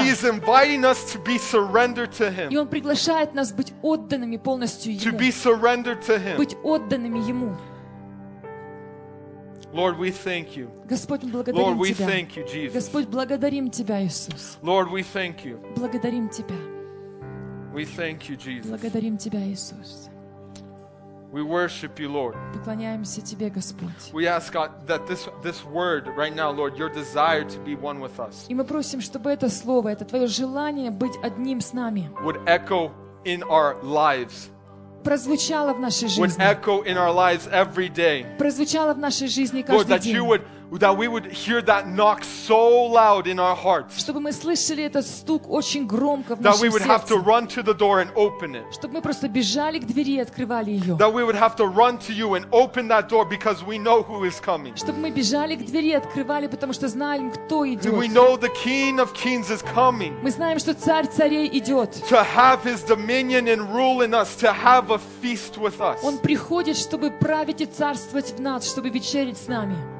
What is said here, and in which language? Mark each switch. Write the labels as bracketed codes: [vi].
[en] And he is inviting us to be surrendered to him. [ru] И он приглашает нас быть отданными полностью ему. [en] To be surrendered to him. [ru] Быть отданными ему. [en] Lord, we thank you. [ru] Господь, мы благодарим [en] Lord, we [ru] тебя. [en] Thank you, Jesus. [ru] Господь, благодарим тебя, Иисус. [en] Lord, we thank you. [ru] Благодарим тебя. [en] We thank you, Jesus. [ru] Благодарим тебя, Иисус. [en] We worship you, Lord. [ru] Поклоняемся тебе, Господь. [en] We ask God that this word right now, Lord, your desire to be one with us. [ru] И мы просим, чтобы это слово, это твое желание быть одним с нами. [en] Would echo in our lives. [ru] Прозвучало в нашей жизни. [en] Would echo in our lives every day. [ru] Прозвучало в нашей жизни каждый [en] Lord, that [ru] день. [en] You would, that we would hear that knock so loud in our hearts. [ru] Чтобы мы слышали этот стук очень громко в нашем сердце. [en] we would [ru] сердце. [en] Have to run to the door and open it. [ru] Чтобы мы просто бежали к двери и открывали ее. [en] That we would have to run to you and open that door because we know who is coming. [ru] Чтобы мы бежали к двери и открывали, потому что знаем, кто идет. [en] We know the King of Kings is coming. [ru] Мы знаем, что Царь царей идет. [en] To have his dominion and rule in us, to have a feast with us. [ru] Он приходит, чтобы править и царствовать в нас, чтобы вечерить с нами.